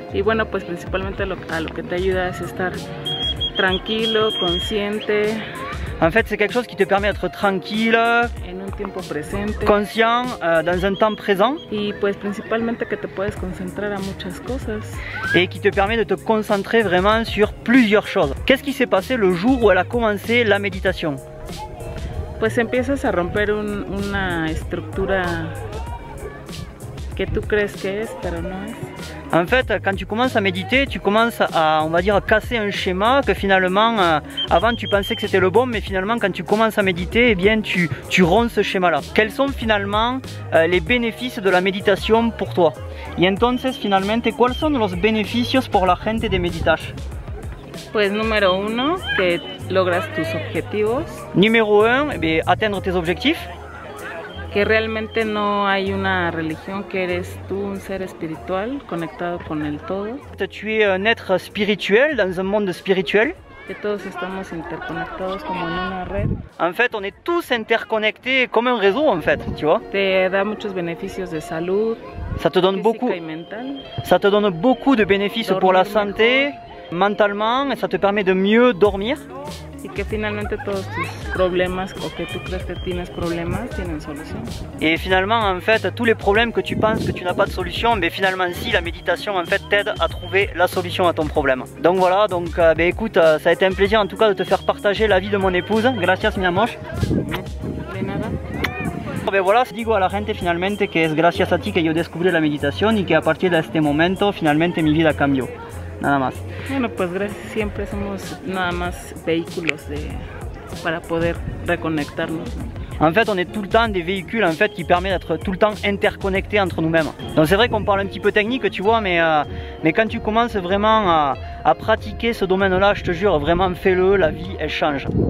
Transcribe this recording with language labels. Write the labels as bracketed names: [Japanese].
[Spanish] Y bueno, pues principalmente a lo que te ayuda es estar tranquilo, consciente. [French] En fait, c'est quelque chose qui te permet d'être tranquille, [Spanish] en un tiempo presente, [French] conscient, dans un temps présent. [Spanish] Y pues principalmente que te puedes concentrar a muchas cosas. [French] Et qui te permet de te concentrer vraiment sur plusieurs choses. Qu'est-ce qui s'est passé le jour où elle a commencé la méditation? [Spanish] Pues empiezas a romper una estructura que tu crees que es, pero no es. [French] En fait, quand tu commences à méditer, tu commences à, on va dire, casser un schéma que finalement, avant tu pensais que c'était le bon, mais finalement quand tu commences à méditer, eh bien tu romps ce schéma-là. Quels sont finalement les bénéfices de la méditation pour toi? [Spanish] Y entonces, finalmente, ¿cuáles son los beneficios por la gente de meditar? Pues número uno, que logras tus objetivos. [French] Numéro 1, eh bien, atteindre tes objectifs. [Spanish] Que realmente no hay una religión, que eres tú un ser espiritual conectado con el todo. [French] Tu es un être spirituel dans un monde spirituel. [Spanish] Que todos estamos interconectados como en una red. [French] En fait, on est tous interconnectés comme un réseau, en fait, tu vois. [Spanish] Te da muchos beneficios de salud. [French] Ça te donne beaucoup. Ça te donne beaucoup de bénéfices. [Spanish] Dormir [French] pour la santé, [Spanish] mejor. [French] Mentalement, et ça te permet de mieux dormir. [Spanish] Y que finalmente todos tus problemas o que tú crees que tienes problemas tienen solución. [French] Et finalement, en fait, tous les problèmes que tu penses que tu n'as pas de solution, mais finalement si, la méditation en fait t'aide à trouver la solution à ton problème. Donc voilà, donc écoute, ça a été un plaisir en tout cas de te faire partager la vie de mon épouse. [Spanish] Gracias, mi amor. De nada. [French] Ben voilà, je dis à la [Spanish] gente finalement que es gracias a ti que yo descubrí la meditación y que a partir de este momento finalmente mi vida cambió. Nada más. Bueno, pues gracias. Siempre somos nada más vehículos para poder reconectarnos. [French] En fait, on est tout le temps des véhicules en fait, qui permettent d'être tout le temps interconnectés entre nous-mêmes. Donc c'est vrai qu'on parle un petit peu technique, tu vois, mais quand tu commences vraiment à pratiquer ce domaine-là, je te jure, vraiment fais-le, la vie, elle change.